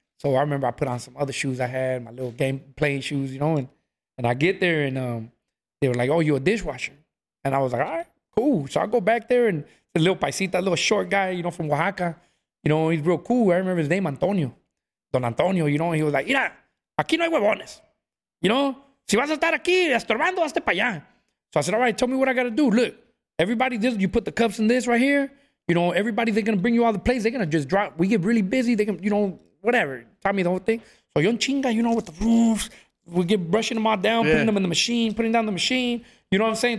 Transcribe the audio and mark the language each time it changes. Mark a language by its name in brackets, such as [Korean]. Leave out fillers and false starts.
[English] So I remember I put on some other shoes I had, my little game playing shoes, you know, and I get there and they were like, oh, you're a dishwasher. And I was like, all right, cool. So I go back there and the little paisita, little short guy, you know, from Oaxaca, you know, he's real cool. I remember his name, Antonio. Don Antonio, you know, he was like, [Spanish] mira, aquí no hay huevones. [English] You know, [Spanish] si vas a estar aquí estorbando, hazte para allá. [English] So I said, all right, tell me what I gotta do. Look. Everybody, this, you put the cups in this right here. You know, everybody, they're going to bring you all the plates. They're going to just drop. We get really busy. They can, you know, whatever. Tell me the whole thing. So, yon chinga, you know, with the roofs. We get brushing them all down, putting them in the machine, putting down the machine. You know what I'm saying?